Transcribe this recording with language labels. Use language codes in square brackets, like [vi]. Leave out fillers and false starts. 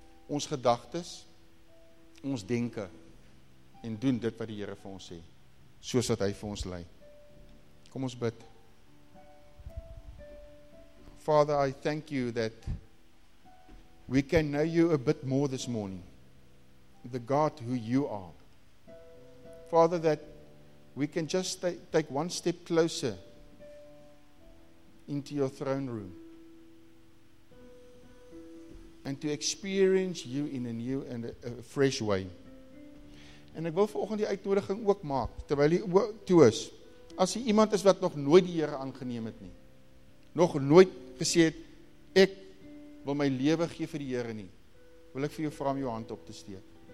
[af] Ons gedagtes, ons denke, en doen dit wat die Here vir ons sê, soos wat hy vir ons lei. Kom ons bid. [en] Father, I thank you that we can know you a bit more this morning. The God who you are. Father, that we can just take one step closer into your throne room. And to experience you in a new and a fresh way. [af] En ek wil vanoggend die uitnodiging ook maak, terwyl jy toe is, as jy iemand is wat nog nooit die Here aangeneem het nie, nog nooit gesê het, ek wil my lewe gee vir die Here nie, wil ek vir jou vra om jou hand op te steek.